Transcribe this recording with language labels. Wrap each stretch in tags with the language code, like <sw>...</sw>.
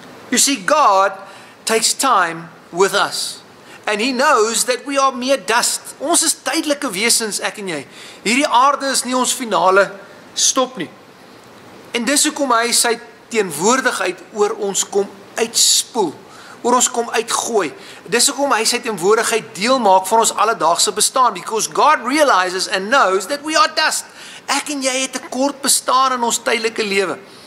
<en>You see, God takes time with us. And he knows that we are mere dust.</en> <af>Ons is tydelike wesens, ek en jy. Hierdie aarde is nie ons finale stop nie. En dis hoekom hy sy teenwoordigheid oor ons kom uitspoel. Oor ons kom uitgooi. Dis hoekom hy sy teenwoordigheid deel maak van ons alledaagse bestaan.</af> <en>Because God realizes and knows that we are dust.</en> <af>Ek en jy het 'n kort bestaan in ons tydelike lewe.</af>